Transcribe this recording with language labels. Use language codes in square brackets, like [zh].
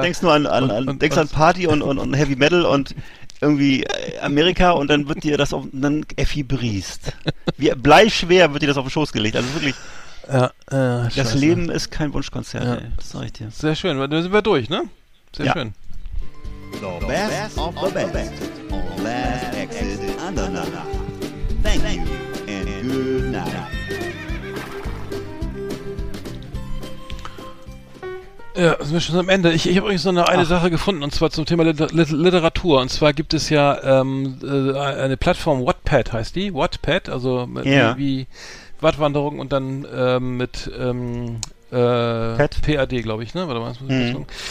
[de] denkst an Party und Heavy Metal und irgendwie Amerika und dann wird dir das auf. Dann Effi Briest. Wie bleischwer wird dir das auf den Schoß gelegt. Also wirklich. Ja, das Scheiße. Leben ist kein Wunschkonzert, ja. Ey. Das sag ich dir. Sehr schön, dann sind wir durch, ne? Sehr ja. schön. [en] The best of the best. On last exit under another. Thank you and good night. [de] Ja, sind wir schon am Ende. Ich habe übrigens noch eine Sache gefunden, und zwar zum Thema Literatur. Und zwar gibt es ja eine Plattform, Wattpad heißt die. Wattpad, also wie Wattwanderung und dann mit PAD, glaube ich, ne? Warte mal, das muss ich mal gucken.